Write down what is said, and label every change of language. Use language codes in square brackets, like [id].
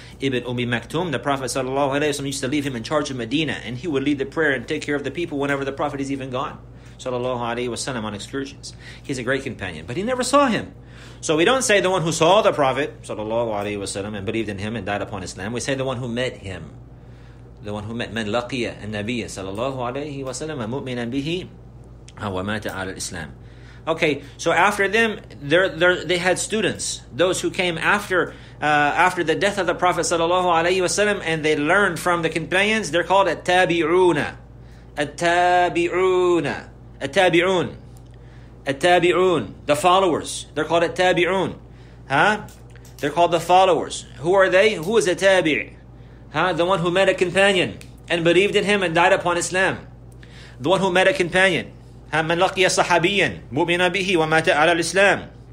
[en] Ibn Ummi Maktum, the Prophet sallallahu alayhi wasallam used to leave him in charge of Medina, and he would lead the prayer and take care of the people whenever the Prophet is even gone sallallahu alayhi wasallam on excursions. He's a great companion, but he never saw him. So we don't say the one who saw the Prophet sallallahu alayhi wasallam and believed in him and died upon Islam. We say the one who met him. The one who met [ar] من لقي النبي صلى الله عليه وسلم مؤمنا به ومات على الإسلام. [en] Okay, so after them, they had students. Those who came after the death of the Prophet [ar] صلى الله عليه وسلم [en] and they learned from the companions, they're called [ar] التابعون. التابعون. التابعون. التابعون. [en] The followers. They're called التابعون. Huh? They're called the followers. Who are they? Who is a tabi? Huh? The one who met a companion and believed in him and died upon Islam. The one who met a companion. Huh? [ar] من لقي صحابيا مؤمنا به ومات على الإسلام.